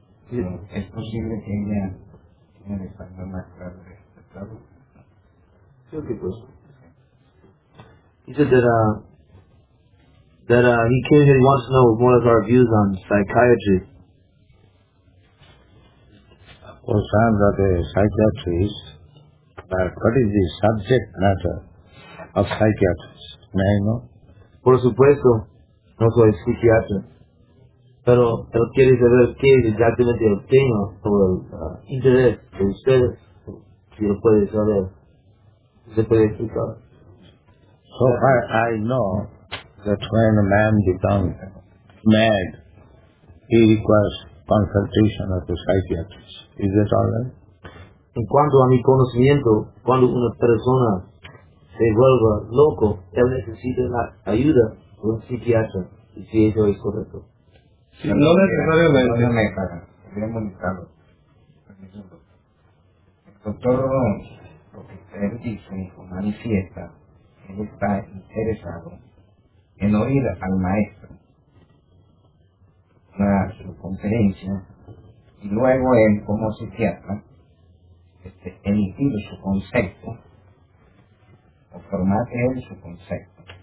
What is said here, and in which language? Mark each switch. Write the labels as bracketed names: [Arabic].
[Spanish] Es posible que ella tenga el español más claro que este estado. Sí, ok, pues. [English] He said that he came here, he wants to know more of our views on psychiatry. Concerned that the psychiatrists, what is the subject matter of psychiatrists? May I know? [Spanish] Por supuesto, no soy psiquiatra. Pero él quiere saber qué es exactamente el tema o el interés de usted, si lo puede saber, si se puede explicar. [English] So far I know that when a man becomes mad, he requires consultation of the psychiatrist. Is that all right? [Spanish] En cuanto a mi conocimiento, cuando una persona se vuelve loco, él necesita la ayuda de un psiquiatra, si eso es correcto. Sí, no necesariamente. No me paga. Quería molestarlo. El doctor Ron, lo que él dice, manifiesta, él está interesado en oír al maestro para su conferencia y luego él, como psiquiatra, emitir su concepto o formar él su concepto.